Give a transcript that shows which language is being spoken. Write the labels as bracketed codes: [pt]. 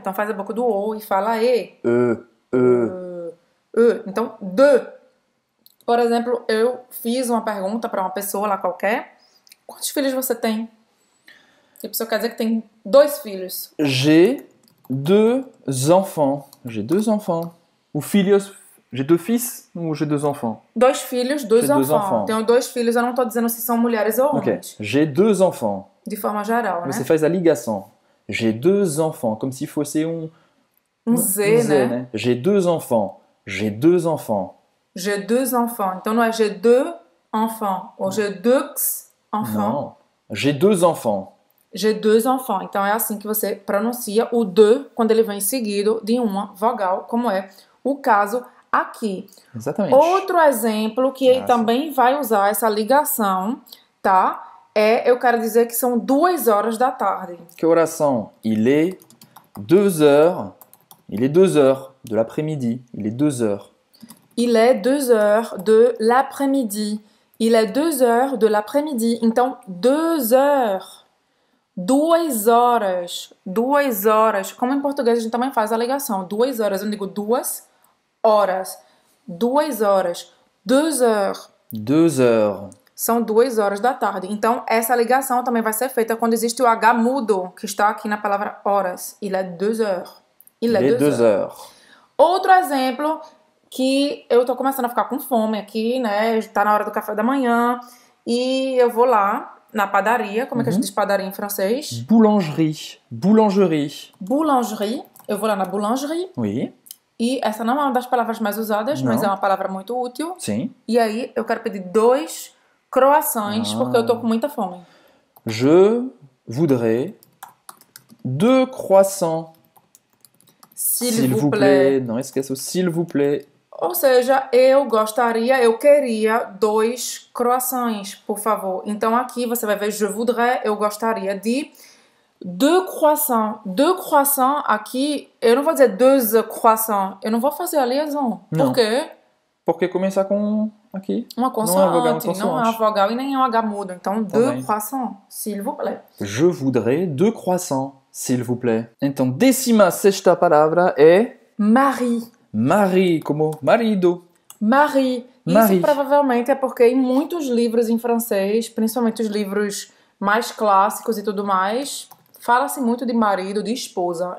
[pt] Então faz a boca do O e fala E. E, E. E. Então, de. Por exemplo, eu fiz uma pergunta para uma pessoa lá qualquer. Quantos filhos você tem? E a pessoa quer dizer que tem 2 filhos. [fr] J'ai deux enfants. J'ai deux enfants. O filho... J'ai deux fils ou j'ai deux enfants? [pt] Dois filhos, [fr] deux enfants. [pt] Tenho 2 filhos, eu não estou dizendo se são mulheres ou homens. [fr] Ok. J'ai deux enfants. [pt] De forma geral, né? Você faz a ligação. [fr] J'ai deux enfants. [pt] Como se fosse um Z, né? [fr] J'ai deux enfants. J'ai deux enfants. J'ai deux enfants. [pt] Então não é [fr] j'ai deux enfants. Ou j'ai deux enfants. Não. J'ai deux enfants. J'ai deux enfants. [pt] Então é assim que você pronuncia o de quando ele vem seguido de uma vogal, como é o caso aqui. Exatamente. Outro exemplo que ele também vai usar essa ligação, tá? Eu quero dizer que são 2 horas da tarde. Que horas são? [fr] Il est 2 heures. Il est 2 heures de l'après-midi. Il est 2 heures. Il est 2 heures de l'après-midi. Il est 2 heures de l'après-midi. Então, 2 heures. [pt] 2 horas, 2 horas. Como em português a gente também faz a ligação, 2 horas. Eu não digo 2 horas, 2 horas, 2 horas. [fr] 2 heures. [pt] São 2 horas da tarde. Então essa ligação também vai ser feita quando existe o H mudo, que está aqui na palavra horas. [fr] Il est 2 heures. Il est Les 2 heures. 2 heures. [pt] Outro exemplo que eu estou começando a ficar com fome aqui, né? Está na hora do café da manhã e eu vou lá. Na padaria, como é que a gente diz padaria em francês? [fr] Boulangerie, boulangerie. Boulangerie. [pt] Eu vou lá na boulangerie. [fr] Oui. [pt] E essa não é uma das palavras mais usadas, mas é Não. uma palavra muito útil. Sim. E aí eu quero pedir 2 croissants, porque eu Ah. tô com muita fome. [fr] Je voudrais 2 croissants. S'il S'il vous vous plaît. [pt] plaît, non, esqueça o [fr] s'il vous plaît. [pt] Ou seja, eu gostaria, eu queria 2 croissants, por favor. Então aqui você vai ver, [fr] je voudrais, [pt] eu gostaria de 2 croissants. 2 croissants aqui, eu não vou dizer 2 croissants, eu não vou fazer a liaison. Por quê? Porque começa com aqui. Uma Não é vogal, é um consoante, não é uma consoante. vogal e nem um H mudo. Então, Tá [fr] 2 croissants, s'il vous plaît. [pt] bem. [fr] Je voudrais 2 croissants, s'il vous plaît. [pt] Então, décima sexta palavra é Marie. Marie, como marido. Marie, isso Marie. provavelmente é porque em muitos livros em francês, principalmente os livros mais clássicos e tudo mais, fala-se muito de marido, de esposa.